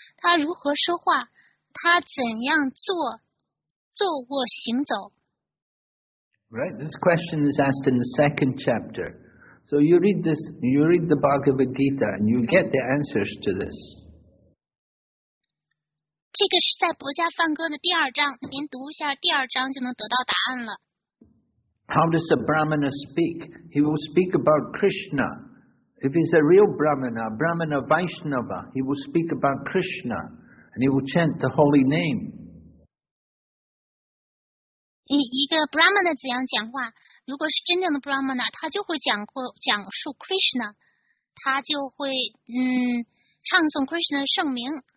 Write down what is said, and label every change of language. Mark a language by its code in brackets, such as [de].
[zh] 他如何说话？他怎样坐卧行走？ [en] Right, this question is asked in the second chapter. So you read this, you read the Bhagavad Gita and you get the answers to this. [zh] 这个是在博伽梵歌的第二章，您读一下第二章就能得到答案了。 [en] How does a Brahmana speak? He will speak about Krishna. If he's a real Brahmana, Brahmana Vaishnava, he will speak about Krishna and he will chant the holy name. [zh] 一个 Brahmana 怎样讲话？如果是真正的 Brahmana， 他就会讲述 Krishna， 他就会唱诵 Krishna 的圣名。